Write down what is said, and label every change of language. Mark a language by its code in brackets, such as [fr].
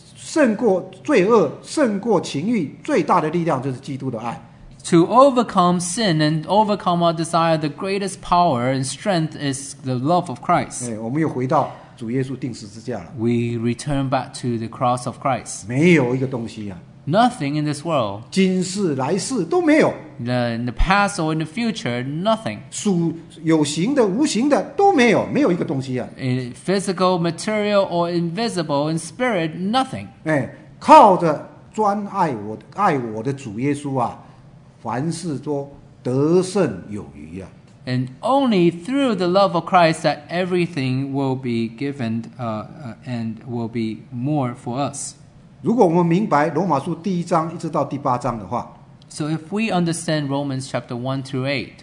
[zh] 胜过罪恶，胜过情欲，最大的力量就是基督的爱。 [en] To overcome sin and overcome our desire, the greatest power and strength is the love of Christ. [zh] 我们又回到 主耶稣钉十字架了。 [en] We return back to the cross of Christ. [zh] 没有一个东西啊。 [en] Nothing in this world, [zh] 今世来世都没有, [en] in the past or in the future, nothing. [zh] 有形的无形的都没有, 没有一个东西啊, [en] in physical, material or invisible, in spirit, nothing. [zh] 靠着专爱我的主耶稣啊, 凡事都得胜有余啊。 [en] And only through the love of Christ that everything will be given and will be more for us. [zh] 如果我们明白罗马书第一章一直到第八章的话, [en] so if we understand Romans chapter 1 through 8,